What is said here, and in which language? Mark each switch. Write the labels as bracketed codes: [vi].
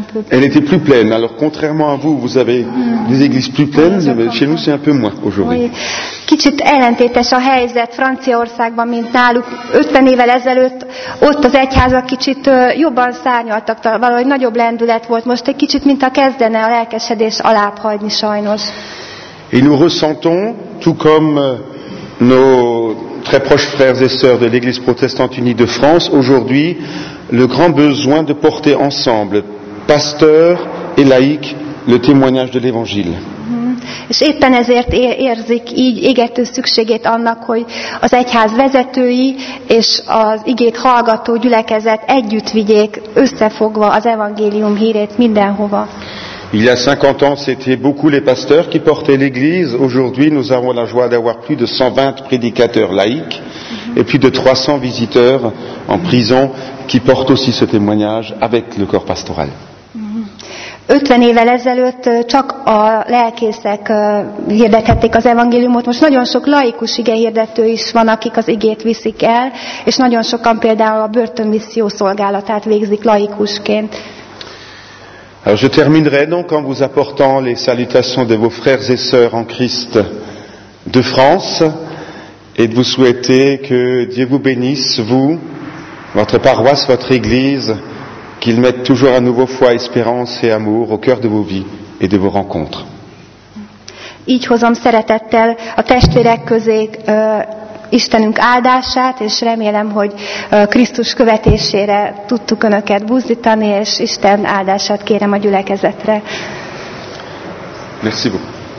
[fr] Elle était plus pleine, alors contrairement à vous, vous avez des églises plus pleines, mais chez nous c'est un peu moins aujourd'hui. [hu] Kicsit ellentétes a helyzet Franciaországban, mint náluk 50 évvel ezelőtt. Ott az egyházak kicsit jobban szárnyaltak, valahogy nagyobb lendület volt. Most egy kicsit, mintha kezdene a lelkesedés alább hagyni, sajnos. [fr] Et nous ressentons, tout comme nos très proches frères et sœurs de l'Église protestante unie de France, aujourd'hui, le grand besoin de porter ensemble, pasteurs et laïcs, le témoignage de l'Évangile. [hu] És éppen ezért érzik így égető szükségét annak, hogy az egyház vezetői és az igét hallgató gyülekezet együtt vigyék összefogva az evangélium hírét mindenhova. [fr] Il y a 50 ans, c'était beaucoup les pasteurs qui portaient l'église. Aujourd'hui, nous avons la joie d'avoir plus de 120 prédicateurs laïcs et plus de 300 visiteurs en prison qui portent aussi ce témoignage avec le corps pastoral. [hu] 50 évvel ezelőtt csak a lelkészek hirdethették az evangéliumot, most nagyon sok laikus igehirdető is van, akik az igét viszik el, és nagyon sokan például a börtönmisszió szolgálatát végzik laikusként. [fr] Alors je terminerai donc en vous apportant les salutations de vos frères et sœurs en Christ de France et de vous souhaiter que Dieu vous bénisse, vous, votre paroisse, votre église, qu'ils mettent toujours à nouveau foi, espérance et amour au cœur de vos vies et de vos rencontres. [hu] Így hozom szeretettel a testvérek közé Istenünk áldását, és remélem, hogy Krisztus követésére tudtuk Önöket buzdítani, és Isten áldását kérem a gyülekezetre. [fr] Merci beaucoup.